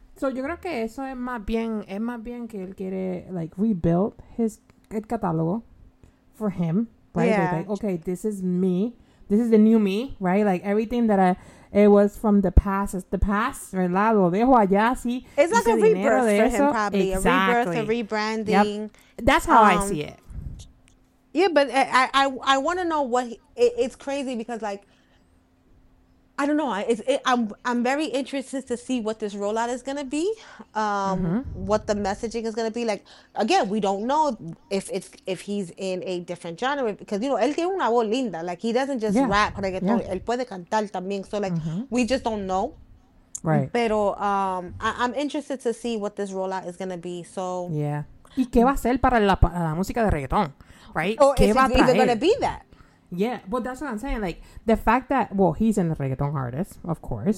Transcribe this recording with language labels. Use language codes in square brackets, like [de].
[es] So, yo creo que eso es más bien que él quiere, like, [en] rebuild his [es] el catálogo for him, right? [en] Yeah. Like, okay, this is me. This is the new me, right? Like, everything that it was from the past is the past, ¿verdad? [es] Lo dejo allá, sí. [en] It's like a rebirth for him, probably. Exactly. A rebirth, a rebranding. Yep. That's how I see it. Yeah, but I want to know what it's crazy because, like, I don't know. I'm very interested to see what this rollout is going to be, mm-hmm. what the messaging is going to be. Like, again, we don't know if he's in a different genre because, you know, [es] él tiene una voz linda. [en] Like, he doesn't just rap reggaeton. Yeah. [es] Él puede cantar también. [en] So, like, mm-hmm. we just don't know. Right. Pero I'm interested to see what this rollout is going to be. So, yeah. [es] ¿Y qué va a hacer para la música de reggaeton? [en] Right? Or [es] ¿qué [en] is [es] va [en] it either going to be that? Yeah, but that's what I'm saying. Like, the fact that, well, he's in the reggaeton artist, of course.